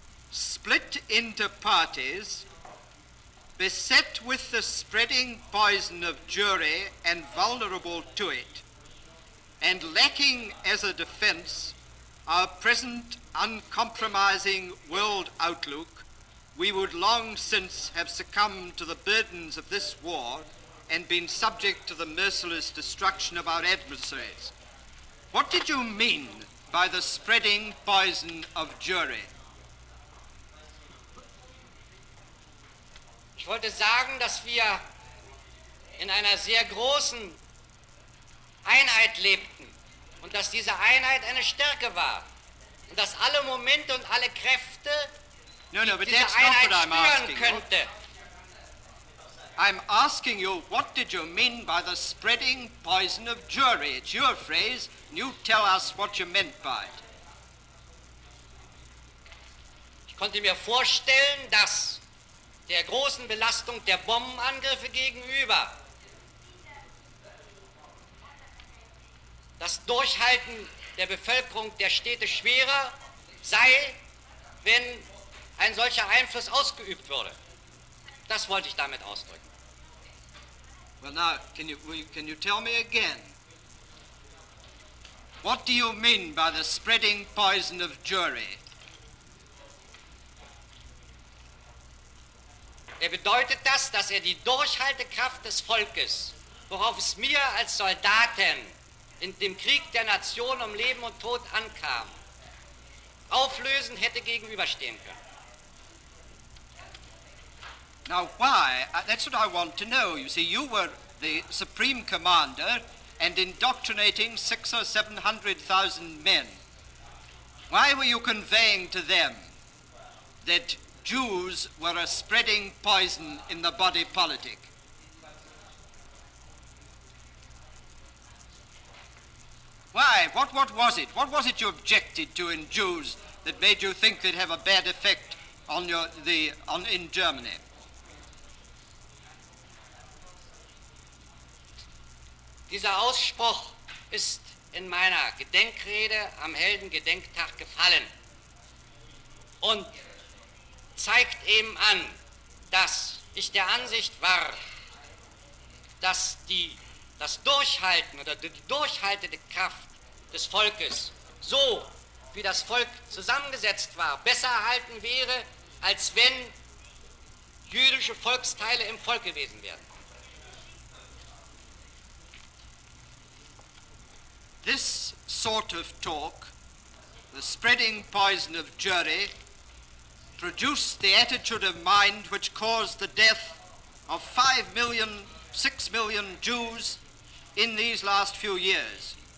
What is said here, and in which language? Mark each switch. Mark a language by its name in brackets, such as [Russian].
[English] Split into parties, beset with the spreading poison of Jewry and vulnerable to it, and lacking as a defense our present uncompromising world outlook, we would long since have succumbed to the burdens of this war and been subject to the merciless destruction of our adversaries. What did you mean by the spreading poison of Jewry? [German] Ich wollte sagen, dass wir in einer sehr großen Einheit lebten und dass diese Einheit eine Stärke war und dass alle Momente und alle Kräfte [English] No, but that's not what I'm asking. [German] Könnte. [English] I'm asking you, what did you mean by the spreading poison of jury? It's your phrase, and you tell us what you meant by it. [German] Ich konnte mir vorstellen, dass der großen Belastung der Bombenangriffe gegenüber das Durchhalten der Bevölkerung der Städte schwerer sei, wenn ein solcher Einfluss ausgeübt würde. Das wollte ich damit ausdrücken. [English] Well now, can you tell me again? What do you mean by the spreading poison of jury? [German] Er bedeutet das, dass er die Durchhaltekraft des Volkes, worauf es mir als Soldaten in dem Krieg der Nation um Leben und Tod ankam, auflösen hätte gegenüberstehen können. [English] Now why? That's what I want to know. You see, you were the supreme commander and indoctrinating 600,000 or 700,000 men. Why were you conveying to them that Jews were a spreading poison in the body politic? Why? What was it? What was it you objected to in Jews that made you think they'd have a bad effect on in Germany? [German] Dieser Ausspruch ist in meiner Gedenkrede am Heldengedenktag gefallen und zeigt eben an, dass ich der Ansicht war, dass das Durchhalten oder die durchhaltende Kraft des Volkes, so wie das Volk zusammengesetzt war, besser erhalten wäre, als wenn jüdische Volksteile im Volk gewesen wären. [English] This sort of talk, the spreading poison of jury, produced the attitude of mind which caused the death of 5 million, 6 million Jews in these last few years.